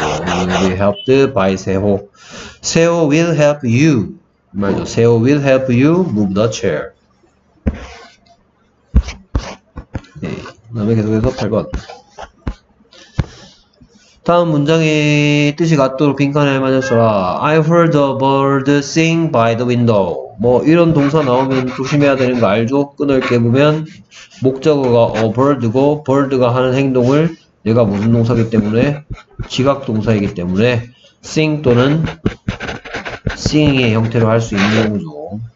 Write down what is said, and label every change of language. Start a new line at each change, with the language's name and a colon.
English: you will be helped by 세호. 세호 will help you
Korean: 맞아.
English: 세호 will help you move the chair.
Korean: 네. 다음에 계속해서 8번. 다음 문장의 뜻이 같도록 빈칸을 맞춰서라.
English: I heard a bird sing by the window.
Korean: 뭐 이런 동사 나오면 조심해야 되는 거 알죠? 끊을 게 보면 목적어가 a bird고 bird가 하는 행동을 얘가 무슨 동사이기 때문에 기각 동사이기 때문에 sing 또는 singing의 형태로 할수 있는 거죠.